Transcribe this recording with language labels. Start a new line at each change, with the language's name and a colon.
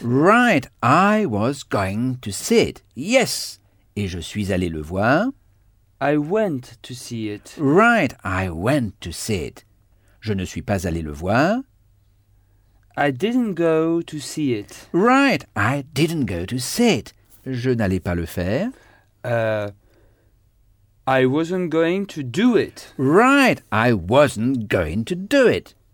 English: Right, I was going to see it.
French: Yes, et je suis allé le voir.
English: I went to see it. Right, I went to see it.
French: Je ne suis pas allé le voir.
English: I didn't go to see it. Right, I didn't go to see it.
French: Je n'allais pas le faire.
English: I wasn't going to do it. Right, I wasn't going to do it.